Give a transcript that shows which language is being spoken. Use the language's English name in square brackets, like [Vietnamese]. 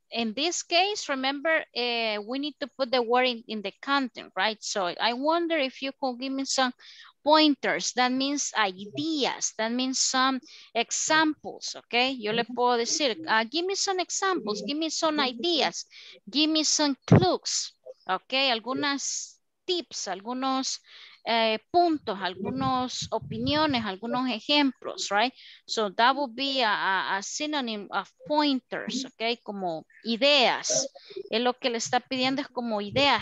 [English] In this case, remember, we need to put the word in the content, right? So I wonder if you could give me some pointers. That means ideas. That means some examples, okay? [Spanish] Yo le puedo decir, [English] give me some examples. Give me some ideas. Give me some clues, okay? [Spanish] Algunas tips, algunos puntos, algunos opiniones, algunos ejemplos, [English] right? So that would be a synonym of pointers, okay? [Spanish] Como ideas. Es lo que le está pidiendo, es como ideas.